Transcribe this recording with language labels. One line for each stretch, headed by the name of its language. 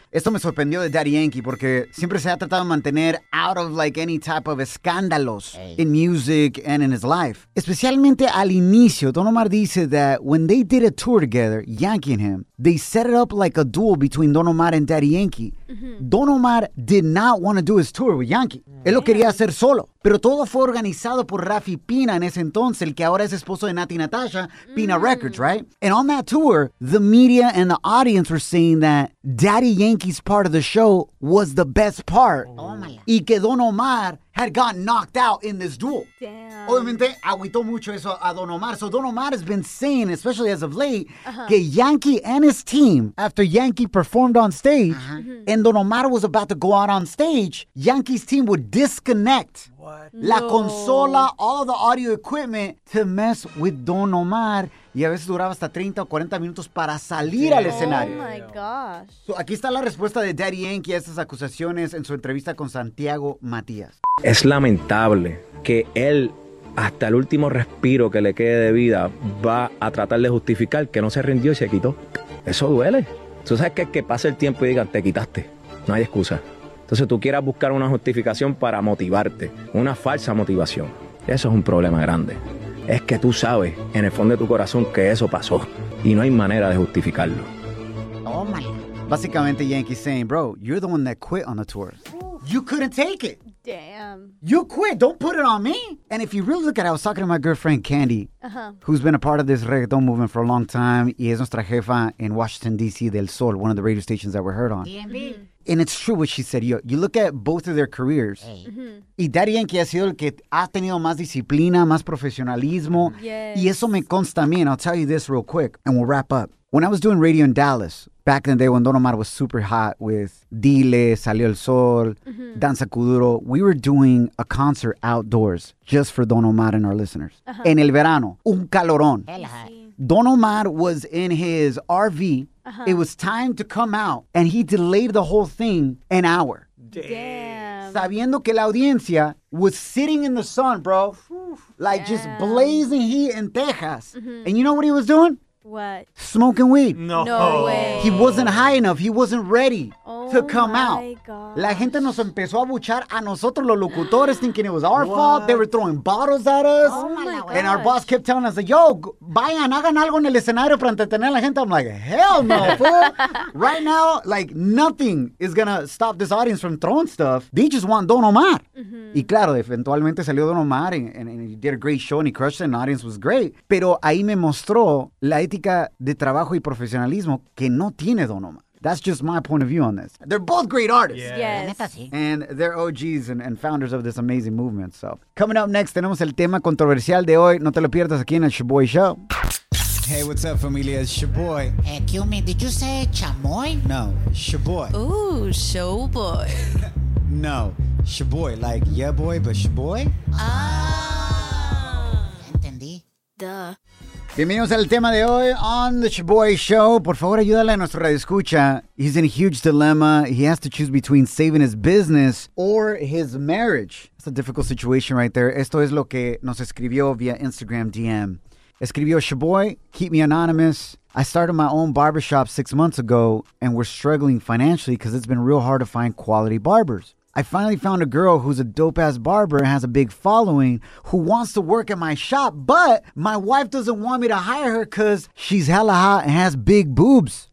Spanish: Esto me sorprendió de Daddy Yankee porque siempre se ha tratado de mantener
English: out of like any type of escándalos in music and in his life.
Spanish: Especialmente al inicio, Don Omar dice
English: that when they did a tour together, Yankee and him, they set it up like a duel between Don Omar and Daddy Yankee. Mm-hmm. Don Omar did not want to do his tour with Yankee.
Spanish: Él lo quería hacer solo, pero todo fue organizado por Rafi Pina en ese entonces, el que ahora es esposo de Nati Natasha, Pina Records, right?
English: And on that tour, the media and the audience were saying that Daddy Yankee's part of the show was the best part. Oh.
Spanish: Y que
English: Don Omar had gotten knocked out in this duel. Damn.
Spanish: Obviamente, agüitó mucho eso a Don Omar.
English: So Don Omar has been saying, especially as of late,
Spanish: que
English: Yankee and his team, after Yankee performed on stage, and Don Omar was about to go out on stage, Yankee's team would disconnect
Spanish: la consola,
English: all of the audio equipment, to mess with Don Omar.
Spanish: Y a veces duraba hasta 30 o 40 minutos para salir al escenario.
English: Oh, my gosh.
Spanish: So, aquí está la respuesta de Daddy Yankee a estas acusaciones en su entrevista con Santiago Matías. Es lamentable que él, hasta el último respiro que le quede de vida, va a tratar de justificar que no se rindió y se quitó. Eso duele. Tú sabes que pase el tiempo y digan, te quitaste. No hay excusa. Entonces tú quieras buscar una justificación para motivarte, una falsa motivación. Eso es un problema grande. Es que tú sabes, en el fondo de tu corazón, que eso pasó. Y no hay manera de justificarlo.
English: Oh, my. Básicamente, Yankee saying, bro, you're the one that quit on the tour. You couldn't take it. Damn. You quit. Don't put it on me. And if you really look at it, I was talking to my girlfriend, Candy, who's been a part of this reggaeton movement for a long time.
Spanish: Y es nuestra jefa in Washington, D.C., Del Sol,
English: one of the radio stations that we're heard on. DMV. Mm-hmm. And it's true what she said. You look at both of their careers. Hey.
Spanish: Y Daddy Yankee ha sido el que ha tenido más disciplina, más profesionalismo.
English: Yes.
Spanish: Y eso me consta a mí.
English: And I'll tell you this real quick, and we'll wrap up. When I was doing radio in Dallas, back in the day when Don Omar was super hot with Dile, Salió el Sol, Danza Kuduro, we were doing a concert outdoors just for Don Omar and our listeners.
Spanish: En el verano, un calorón.
English: Don Omar was in his RV. It was time to come out, and he delayed the whole thing an hour. Damn.
Spanish: Sabiendo que la audiencia
English: was sitting in the sun, bro, like just blazing heat in Texas. And you know what he was doing? What? Smoking weed. No way. He wasn't high enough. He wasn't ready to come out. Gosh.
Spanish: La gente nos empezó a buchar a nosotros, los locutores,
English: thinking it was our fault. They were throwing bottles at us. Oh, my gosh. And our boss kept telling us, yo,
Spanish: vayan, hagan algo en el escenario para entretener a la gente.
English: I'm like, hell no, fool. Right now, like, nothing is going to stop this audience from throwing stuff. They just want Don Omar.
Spanish: Y claro, eventualmente salió
English: Don Omar, and he did a great show, and he crushed it, and the audience was great.
Spanish: Pero ahí me mostró la ética de trabajo y profesionalismo que no tiene Don Omar.
English: That's just my point of view on this. They're both great artists. Yes. And they're OGs and founders of this amazing movement. So, coming up next,
Spanish: tenemos el tema controversial de hoy. No te lo pierdas aquí en el Shaboy Show.
English: Hey, what's up, familia? It's Shaboy. Hey, Kyumi, did you say chamoy? No, Shaboy. Ooh, Showboy. No, Shaboy. Like, yeah, boy, but Shaboy? Ah.
Spanish: Entendí.
English: Duh.
Spanish: Bienvenidos al tema de hoy on The Shaboy Show. Por favor, ayúdale a nuestro radioescucha.
English: He's in a huge dilemma. He has to choose between saving his business or his marriage. It's a difficult situation right there.
Spanish: Esto es lo que nos escribió via Instagram DM. Escribió,
English: Shaboy, keep me anonymous. I started my own barbershop 6 months ago and we're struggling financially because it's been real hard to find quality barbers. I finally found a girl who's a dope-ass barber and has a big following who wants to work at my shop, but my wife doesn't want me to hire her because she's hella hot and has big boobs.